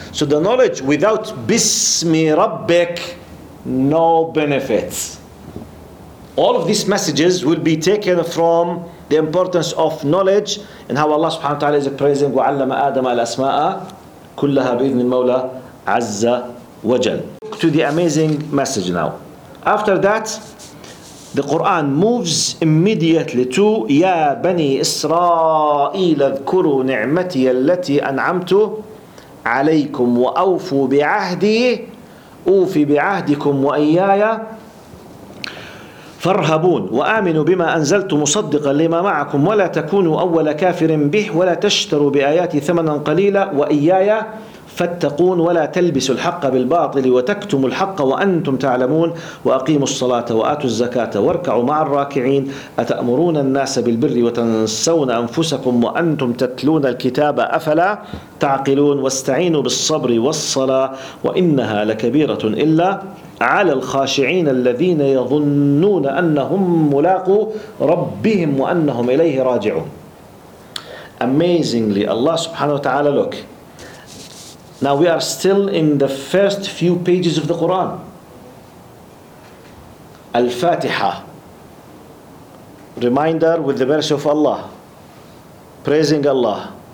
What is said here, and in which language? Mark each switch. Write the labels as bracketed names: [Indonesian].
[English] So the knowledge without Bismi Rabbik, no benefits. All of these messages will be taken from the importance of knowledge and how Allah subhanahu wa ta'ala is praising [Arabic] وَعَلَّمَ آدَمَ الْأَسْمَاءَ كُلَّهَا بِإِذْنِ الْمَوْلَى عَزَّ وَجَلْ. [English] To the amazing message now. After that, the Quran moves immediately to [Arabic] يَا بَنِي إِسْرَائِيلَ اذْكُرُوا نِعْمَتِيَ الَّتِي أَنْعَمْتُ عَلَيْكُمْ وَأَوْفُوا بِعَهْدِي أُوفِ بِعَهْدِكُمْ وَإِيَّايَ فارهبون وآمنوا بما أنزلت مصدقا لما معكم ولا تكونوا أول كافر به ولا تشتروا بآياتي ثمنا قليلا وإيايا فاتقون ولا تلبسوا الحق بالباطل وتكتموا الحق وأنتم تعلمون وأقيموا الصلاة وآتوا الزكاة واركعوا مع الراكعين أتأمرون الناس بالبر وتنسون أنفسكم وأنتم تتلون الكتاب أفلا تعقلون واستعينوا بالصبر والصلاة وإنها لكبيرة إلا على الخاشعين الذين يظنون أنهم ملاقوا ربهم وأنهم إليه راجعون. [English] Amazingly, Allah subhanahu wa ta'ala, look. Now we are still in the first few pages of the Quran. Al-Fatiha. Reminder with the mercy of Allah. Praising Allah.